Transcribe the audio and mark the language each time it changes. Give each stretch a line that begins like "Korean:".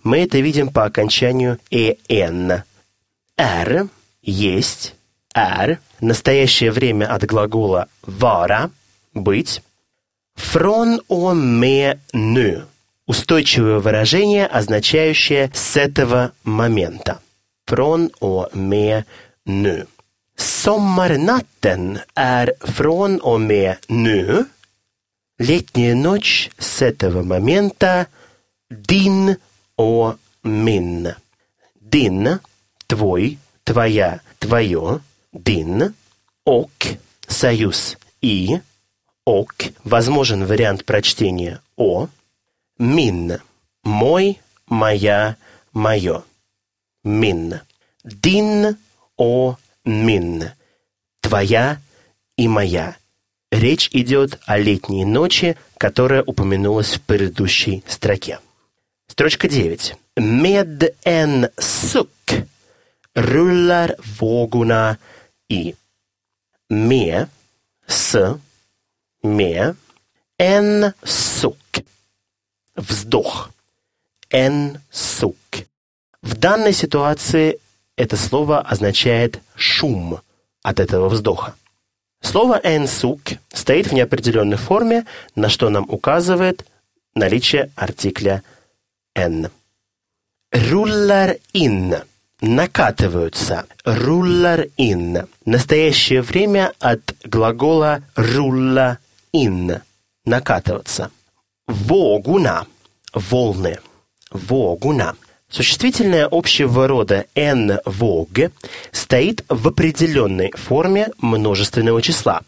Russian: Мы это видим по окончанию «en». «Är» – есть. «Är» – настоящее время от глагола «vara» – быть.
Swedish: «Från och med nu»
Russian: – устойчивое выражение, означающее «с этого момента».
Swedish: «Från och med nu». «Sommarnatten är från och med nu».
Russian: Летняя ночь с этого момента
Swedish: din och min.
Russian: Din – твой, твоя, твое, din och – союз и, och – возможен вариант прочтения о, min – мой, моя, мое, min. Din och min – твоя и моя. Речь идет о летней ночи, которая упомянулась в предыдущей строке. Строчка 9.
Swedish: Med en suck rullar vågorna i.
Russian: Med, с, med, en suck, вздох, en suck. В данной ситуации это слово означает шум от этого вздоха. Слово «en suck» стоит в неопределенной форме, на что нам указывает наличие артикля «en». «Rullar in» – накатываются. «Rullar in» – настоящее время от глагола «rulla in» – накатываться. «Vågorna» – волны. «Vågorna» – существительное общего рода «en våg» стоит в определенной форме множественного числа.